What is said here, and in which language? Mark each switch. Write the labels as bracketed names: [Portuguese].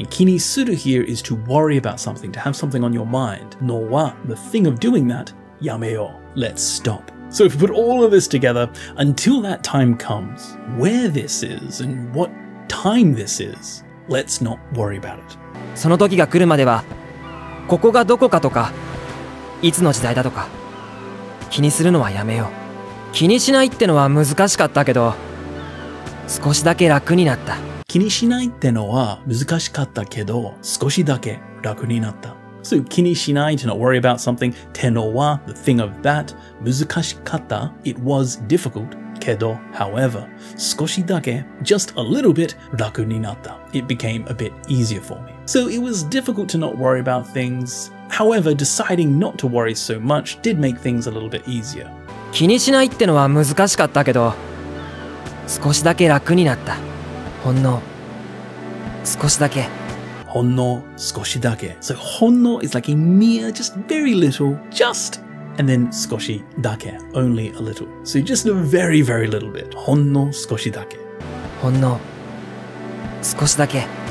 [English] And [Japanese] 気にする [English] here is to worry about something, to have something on your mind. [Japanese] のは [English] the thing of doing that, [Japanese] やめよう。 [English] Let's stop. So if you put all of this together, until that time comes, where this is and what time this is, let's not worry about it. [Japanese] その時が来るまでは、ここがどこかとか、いつの時代だとか、気にするのはやめよう。気にしないってのは難しかったけど、少しだけ楽になった。気にしないってのは難しかったけど、少しだけ楽になった。 [English] So, [Japanese] 気にしない [English] to not worry about something. [Japanese] てのは [English] the thing of that. [Japanese] 難しかった [English] it was difficult. [Japanese] けど [English] however, [Japanese] 少しだけ [English] just a little bit [Japanese] 楽になった [English] it became a bit easier for me. So, it was difficult to not worry about things. However, deciding not to worry so much did make things a little bit easier. [Japanese] 気にしないってのは難しかったけど少しだけ楽になったほんの少しだけほんの少しだけ。 [English] So, [Japanese] ほんの [English] is like a mere, just very little, just, and then [Japanese] 少しだけ [English] only a little. So, just a very, very little bit. [Japanese] ほんの少しだけ。ほんの少しだけ。